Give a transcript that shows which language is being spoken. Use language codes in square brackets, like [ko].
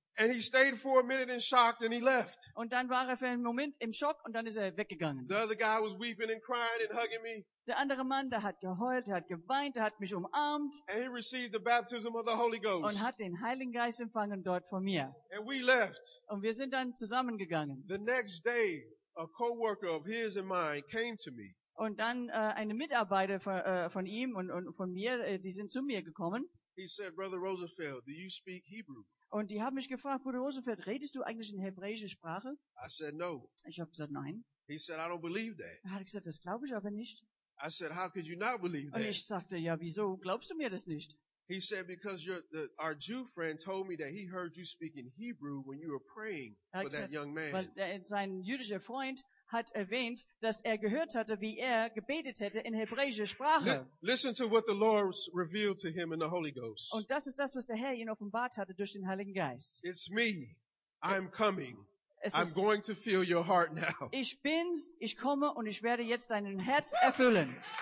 [en] And he stayed for a minute in shock and he left. [de] Und dann war er für einen Moment im Schock und dann ist er weggegangen. [en] The other guy was weeping and crying and hugging me. [de] Der andere Mann, der hat geheult, der hat geweint, der hat mich umarmt. [en] And he received the baptism of the Holy Ghost. [de] Und hat den Heiligen Geist empfangen dort von mir. [en] And we left. [de] Und wir sind dann zusammengegangen. [en] The next day, a coworker of his and mine came to me. [de] Und dann eine Mitarbeiter von ihm und von mir, die sind zu mir gekommen. [en] He said, Brother Rosenfeld, do you speak Hebrew? [de] Und die haben mich gefragt, Bruder Rosenfeld, redest du eigentlich in hebräischer Sprache? [en] I said, no. [de] Ich habe gesagt, nein. [en] He said, I don't believe that. [de] Er hat gesagt, das glaube ich aber nicht. [en] I said, how could you not believe that? [de] Und ich sagte, ja, wieso glaubst du mir das nicht? [en] He said, because our Jew friend told me that he heard you speak in Hebrew when you were praying for that young man. [de] Weil sein jüdischer Freund hat erwähnt, dass er gehört hatte, wie er gebetet hätte in hebräischer Sprache. [en] Listen to what the Lord revealed to him in the Holy Ghost. [de] Und das ist das, was der Herr ihn offenbart hatte durch den Heiligen Geist. [en] It's me. I'm coming. I'm going to fill your heart now. [de] Ich bin's, ich komme und ich werde jetzt deinen Herz erfüllen.